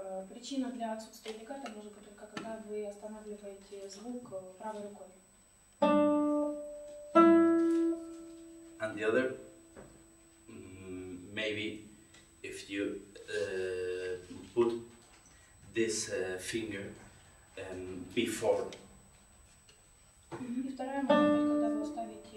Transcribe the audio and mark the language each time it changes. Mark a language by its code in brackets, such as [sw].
[ru] Причина для отсутствия легато может быть только когда вы останавливаете звук правой рукой. [en] And the other, maybe if you put this finger before. [ru] И вторая может быть, когда вы ставите